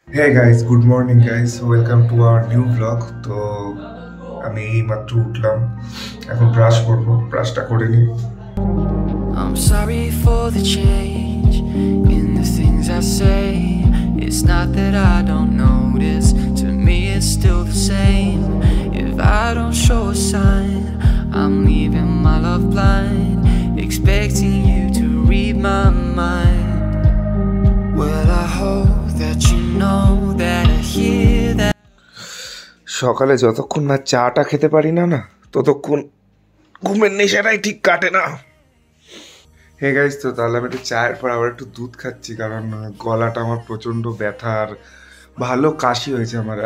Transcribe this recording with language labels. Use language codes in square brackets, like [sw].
[bn] হ্যাঁ guys, good morning guys, welcome to our new blog. তো আমি এই মাত্র উঠলাম, এখন ব্রাশ করবো, ব্রাশটা করে নিই। [en] I'm sorry for the change in the things I say. It's not that I don't notice, to me it's still the same. If I don't show a sign, I'm leaving my love blind, expecting you to read my mind. Well, I hope that you know that I hear that. [bn] সকালে যতক্ষণ না চাটা খেতে পারি না না ততক্ষণ ঘুমের নেশাটাই ঠিক কাটে না। হে গাইস, তো তাহলে আমি একটা চায়ের পর আবার একটু দুধ খাচ্ছি, কারণ গলাটা আমার প্রচণ্ড ব্যথা আর ভালো কাশি হয়েছে আমার।